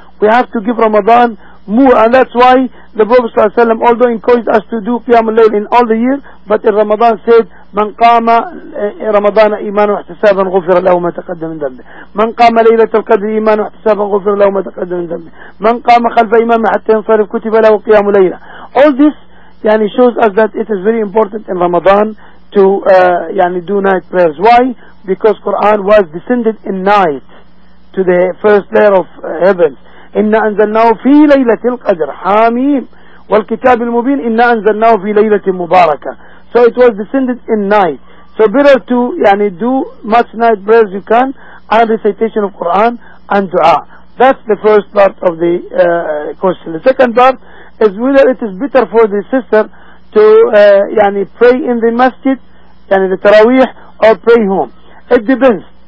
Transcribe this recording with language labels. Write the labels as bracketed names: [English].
[English] We have to give Ramadan more, and that's why the Prophet ﷺ, although encouraged us to do Qiyamul Layl in all the year, but in Ramadan said, [Arabic] من قام رمضان إيمانا واحتسابا غفر له ما تقدم من ذنبه، من قام ليلة القدر إيمانا واحتسابا غفر له ما تقدم من ذنبه، من قام خلف إمامه حتى ينصرف كتب له قيام ليلة. [English] All this يعني shows us that it is very important in Ramadan to يعني do night prayers. Why? Because Quran was descended in night to the first layer of heavens. [Arabic] إنا أنزلناه في ليلة القدر حاميم والكتاب المبين إنا أنزلناه في ليلة مباركة. [English] So it was descended in night. So better to يعني do much night prayers you can and recitation of Quran and dua. That's the first part of the question. The second part is whether it is better for the sister to يعني pray in the masjid يعني the tarawih or pray home. It depends.